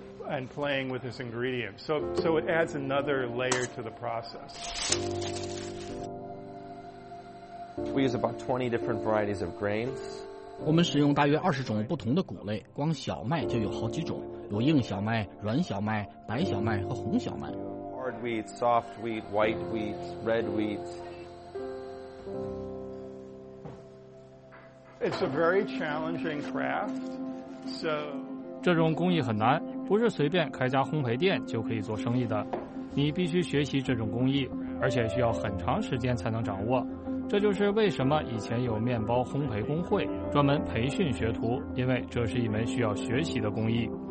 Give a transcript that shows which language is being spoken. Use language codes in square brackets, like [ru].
[en] And playing with this ingredient. So it adds another layer to the process. We use about 20 different varieties of grains. [zh] 我们使用大约20种不同的谷类，光小麦就有好几种，有硬小麦、软小麦、白小麦和红小麦。 [en] Hard wheat, soft wheat, white wheat, red wheat. It's a very challenging craft. So [zh] 这种工艺很难。不是随便开家烘焙店就可以做生意的，你必须学习这种工艺，而且需要很长时间才能掌握。这就是为什么以前有面包烘焙工会专门培训学徒，因为这是一门需要学习的工艺。